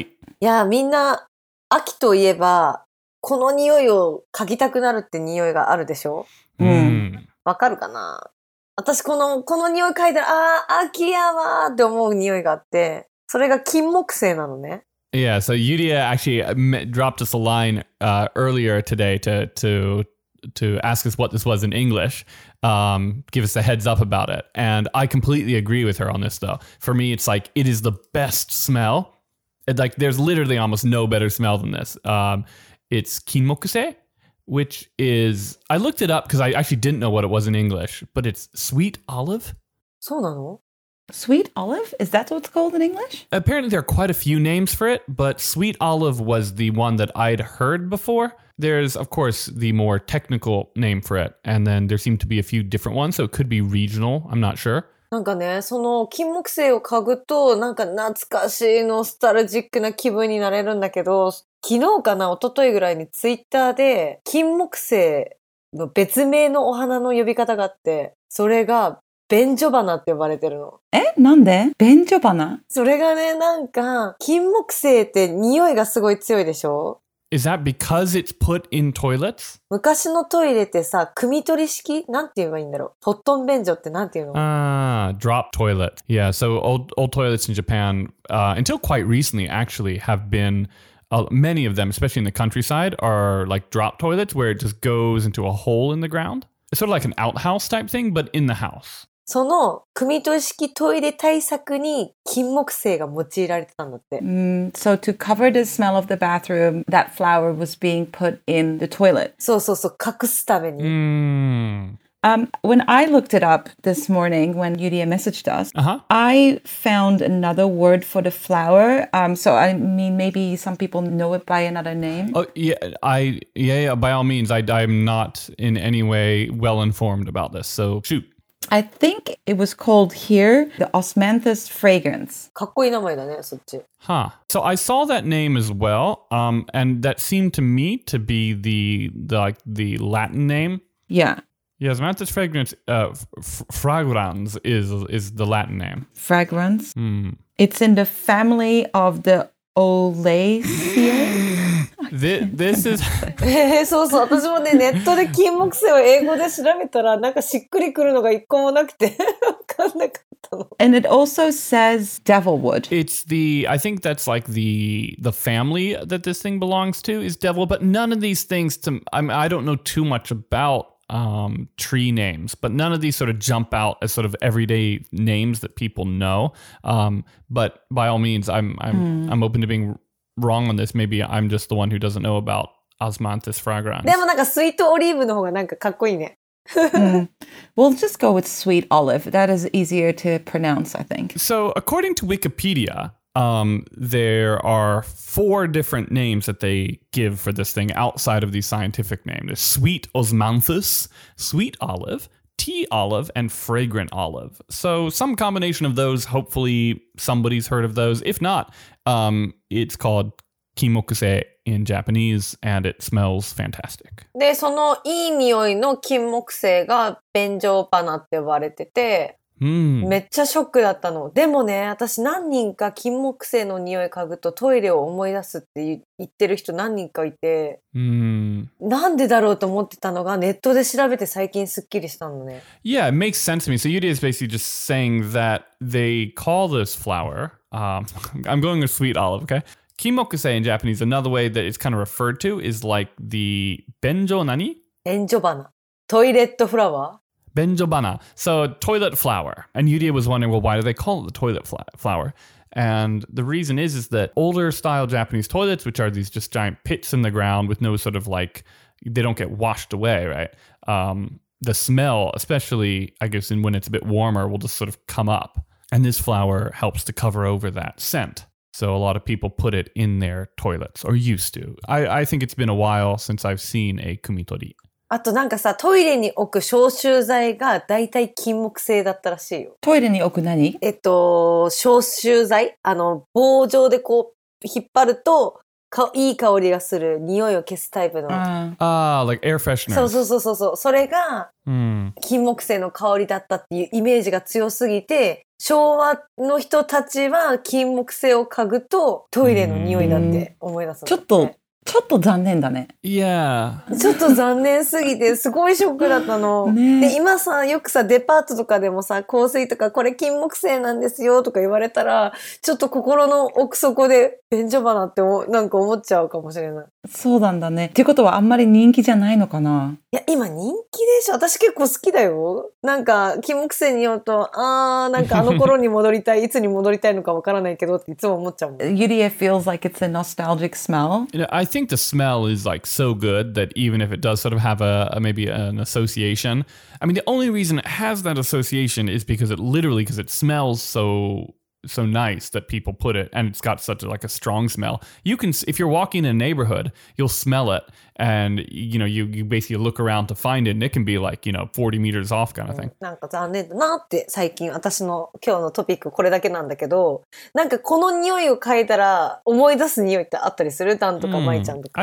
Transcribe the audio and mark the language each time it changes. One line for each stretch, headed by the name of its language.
Japanese: いや、みんな秋といえばこの匂いを嗅ぎたくなるって匂いがあるでしょ？わかるかな？私この匂い嗅いだら、あー、秋やわーって思う匂いがあって、それが金木犀なのね。
English: Yeah, so Yuria actually dropped us a line earlier today to ask us what this was in English, give us a heads up about it. And I completely agree with her on this though. For me, it's like, it is the best smell. Like, there's literally almost no better smell than this. It's金木犀。 Which is, I looked it up because I actually didn't know what it was in English, but it's sweet olive.
Japanese: そうなの?
English: Sweet olive? Is that what it's called in English? Apparently there are quite a few names for it, but sweet olive was the one that I'd heard before. There's, of course, the more technical name for it, and then there seem to be a few different ones, so it could be regional, I'm not sure.
Japanese: なんかね、その金木犀を嗅ぐとなんか懐かしいノスタルジックな気分になれるんだけど、昨日かな一昨日ぐらいにツイッターで金木犀の別名のお花の呼び方があって、それがベンジョバナって呼ばれてるの。え、なんでベンジョバナ？それがね、なんか金木犀って匂いがすごい強いでしょ。
English: Is that because it's put in toilets?
Japanese: 昔のトイレってさ、汲み取り式？なんて言えばいいんだろう。ポットン便所ってなんて言うの？
English: drop toilet. Yeah, so old toilets in Japan, until quite recently actually, have been, many of them, especially in the countryside, are like drop toilets where it just goes into a hole in the ground. It's sort of like an outhouse type thing, but in the house.
Japanese: その汲み取り式トイレ対策に金木犀が用いられてたんだって。
English: So to cover the smell of the bathroom, that flower was being put in the toilet.
Japanese: そうそうそう、隠すために。
English: When I looked it up this morning, when Yuria messaged us, I found another word for the flower. So I mean, maybe some people know it by another name. Oh, yeah, by all means, I'm not in any way well informed about this. So shoot. I think it was called here, the osmanthus fragrance.
Japanese: かっこいい名前だね、そっち。 Huh.
English: So I saw that name as well, and that seemed to me to be the Latin name. Yeah. Yeah, osmanthus fragrance, fragrans is the Latin name. Fragrans? Hmm. It's in the family of the oleaceae. This is...
Japanese: そうそう、私もね、ネットで金木犀を英語で調べたら、なんかしっくりくるのが一個もなくて、わかんなかったの。
English: And it also says devil wood. It's the... I think that's like the family that this thing belongs to is devil, but none of these things to... I mean, I don't know too much about tree names, but none of these sort of jump out as sort of everyday names that people know. But by all means, I'm open to being... wrong on this, maybe I'm just the one who doesn't know about osmanthus fragrans.
Japanese: でもなんかスイートオリーブの方がなんかかっこいいね。
English: We'll just go with sweet olive. That is easier to pronounce, I think. So according to Wikipedia, there are four different names that they give for this thing outside of the scientific name. There's sweet osmanthus, sweet olive, tea olive, and fragrant olive. So some combination of those, hopefully somebody's heard of those. If not,it's called kimokusei in Japanese, and it smells fantastic.
Japanese: で、そのいい匂いの金木犀がベンジョバナって呼ばれてて、めっちゃショックだったの。でもね、私何人か金木犀の匂い嗅ぐとトイレを思い出すって言ってる人何人かいて、なんでだろうと思ってたのがネットで調べて最近すっきりしたのね。
English: Yeah, it makes sense to me. So Yuri is basically just saying that they call this flower... I'm going with sweet olive, okay? Kimokusei in Japanese, another way that it's kind of referred to is like the benjo nani? Benjo bana. Toilet flower? Benjo bana. So toilet flower. And Yuria was wondering, well, why do they call it the toilet flower? And the reason is that older style Japanese toilets, which are these just giant pits in the ground with no sort of like, they don't get washed away, right? The smell, especially, I guess, when it's a bit warmer, will just sort of come up. And this flower helps to cover over that scent. So a lot of people put it in their toilets, or used to. I think it's been a while since I've seen a kumitori.
Japanese: あとなんかさ、トイレに置く消臭剤がだいたい金木犀だったらしいよ。トイレに置く何？消臭剤、あの棒状でこう引っ張るとかいい香りがする匂いを消すタイプの。
English: ああ、like air freshener。
Japanese: そうそうそうそうそう、それが金木犀の香りだったっていうイメージが強すぎて、昭和の人たちは金木犀を嗅ぐとトイレの匂いだって思い出すの、ね。ちょっと。ちょっと残念だね。いやー。ちょっと残念すぎて、すごいショックだったの。ね、で、今さ、よくさ、デパートとかでもさ、香水とか、これ金木犀なんですよとか言われたら、ちょっと心の奥底で、便所花って、なんか思っちゃうかもしれない。そうなんだね。ってことは、あんまり人気じゃないのかな？いや、今人気でしょ。私結構好きだよ。なんか、金木犀によると、あー、なんかあの頃に戻りたい、いつに戻りたいのかわからないけどっていつも思っちゃうもん。
English: Yuri, it feels like it's a nostalgic smell. I think the smell is like so good that even if it does sort of have a maybe an association, I mean, the only reason it has that association is because it literally, because it smells so nice that people put it, and it's got such a, like a strong smell. You can, if you're walking in a neighborhood, you'll smell it, and you know, you basically look around to find it, and it can be like, you know, 40 meters off kind of thing.
Japanese: なんか残念だなって最近私の今日のトピックこれだけなんだけど、なんかこの匂いを嗅いだら思い出す匂いってあったりする？ダンとかマイちゃんとか。